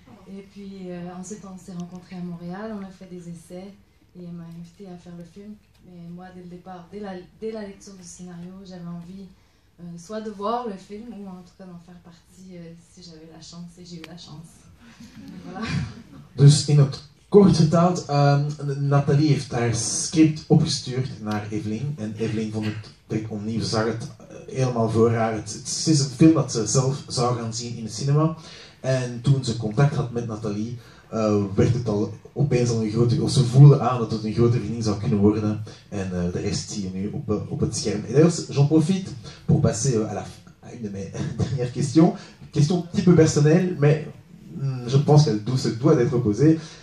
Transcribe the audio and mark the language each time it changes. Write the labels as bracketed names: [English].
[French] Et puis ensuite on s'est rencontrés à Montréal, on a fait des essais et elle m'a invité à faire le film. Mais moi dès le départ, dès la lecture du scénario, j'avais envie soit de voir le film ou en tout cas d'en faire partie si j'avais la chance, et j'ai eu la chance. Voilà. [Dutch] Dus in het korte taal, Nathalie heeft haar script opgestuurd naar Evelyn. En Evelyn vond het direct opnieuw, zag het helemaal voor haar. Het is een film dat ze zelf zou gaan zien in het cinema. En toen ze contact had met Nathalie, werd het al opeens al een grote... Of ze voelde aan dat het een grote vriendin zou kunnen worden. En de rest zie je nu op het scherm. [French] Et d'ailleurs, j'en profite pour passer à une de mes dernières questions. Question un petit peu personnelle, mais je pense qu'elle se doit d'être posée.